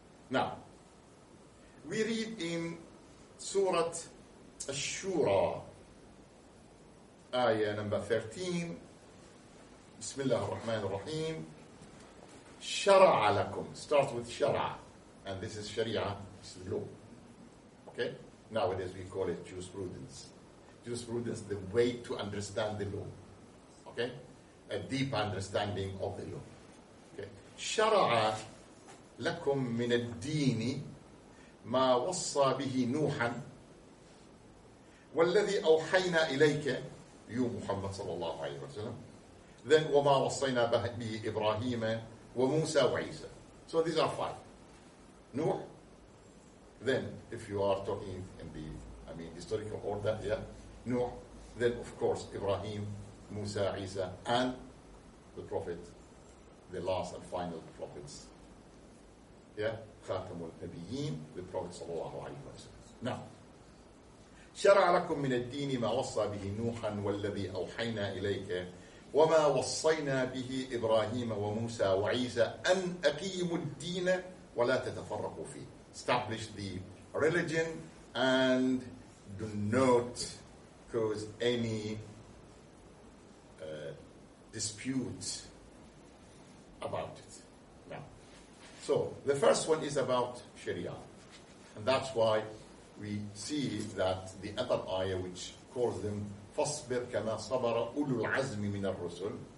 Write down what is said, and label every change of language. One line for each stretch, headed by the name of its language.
English: Now, we read in Surah Ash-Shura, ayah number 13, Bismillah ar-Rahman ar-Rahim, Shara'a lakum, starts with Shara'a, and this is Sharia, this is law. Okay? Nowadays we call it jurisprudence. Jurisprudence, the way to understand the law. Okay? A deep understanding of the law. Okay?
Arabic: Shara'a lakum min ad-dini, ما وصى به نوحا والذي أوحينا إليك يو محمد صلى الله عليه وسلم
English: then
Arabic: وما وصينا به إبراهيم وموسى وعيسى.
English: So these are five. نوح, then if you are talking in the historical order, yeah, نوح, then of course إبراهيم, موسى, عيسى, and the prophet, the last and final prophets, yeah,
Arabic: خاتم النبيين,
English: the Prophet صلى الله عليه وسلم.
Arabic: Now, شرع لكم من الدين ما وصى به نوحا والذي أوحينا إليك وما وصينا به إبراهيم وموسى وعيسى أن أقيموا الدين ولا تتفرقوا فيه.
English: Establish the religion and do not cause any dispute about it. So, the first one is about Sharia. And that's why we see that the other ayah which calls them
Arabic: فَصْبِرْ كَمَا صَبَرَ أُولُ الْعَزْمِ مِنَ الرُّسُلِ.